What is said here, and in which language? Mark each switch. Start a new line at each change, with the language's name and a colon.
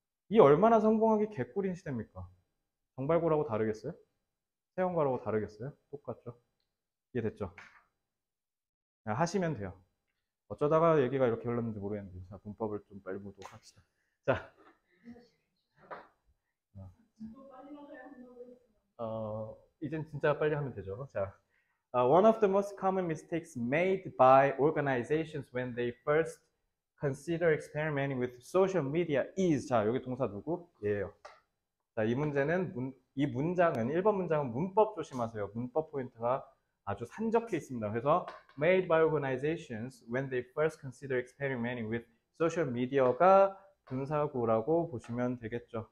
Korean: 이 얼마나 성공하기 개꿀인 시대입니까? 정발고라고 다르겠어요? 태형과라고 다르겠어요? 똑같죠? 이해됐죠? 그냥 하시면 돼요. 어쩌다가 얘기가 이렇게 흘렀는지 모르겠는데, 자, 문법을 좀 빨리 보도록 합시다. 자. 이젠 진짜 빨리 하면 되죠. 자.
English: One of the most common mistakes made by organizations when they first consider experimenting with social media is.
Korean: 자, 여기 동사 누구? 얘예요. 자, 이 문장은, 1번 문장은 문법 조심하세요. 문법 포인트가 아주 산적해 있습니다.
English: 그래서 made by organizations when they first consider experimenting with social media가
Korean: 분사구라고 보시면 되겠죠.